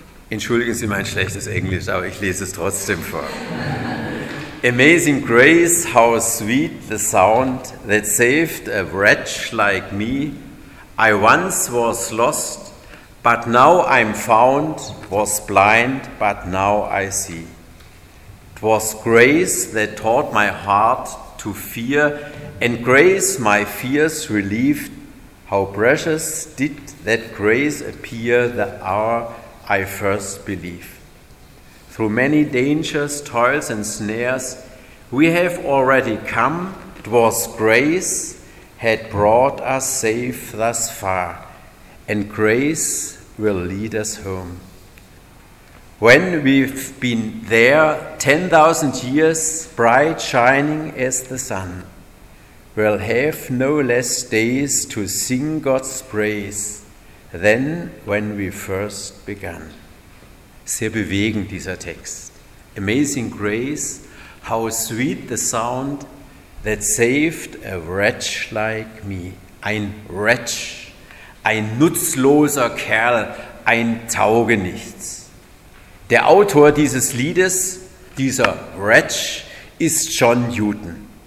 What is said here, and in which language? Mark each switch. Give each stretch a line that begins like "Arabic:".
German: Entschuldigen Sie mein schlechtes Englisch, aber ich lese es trotzdem vor.
English: Amazing Grace, how sweet the sound that saved a wretch like me. I once was lost, but now I'm found, was blind, but now I see. 'Twas grace that taught my heart to fear, and grace my fears relieved. How precious did that grace appear the hour I first believed. Through many dangers, toils, and snares, we have already come. 'Twas grace had brought us safe thus far, and grace will lead us home. When we've been there 10,000 years, bright shining as the sun, we'll have no less days to sing God's praise than when we first began.
German: Sehr bewegend, dieser Text.
English: Amazing grace, how sweet the sound that saved a wretch like me.
German: Ein Wretch. Ein nutzloser Kerl, ein Taugenichts. Der Autor dieses Liedes, dieser Wretch, ist John Newton.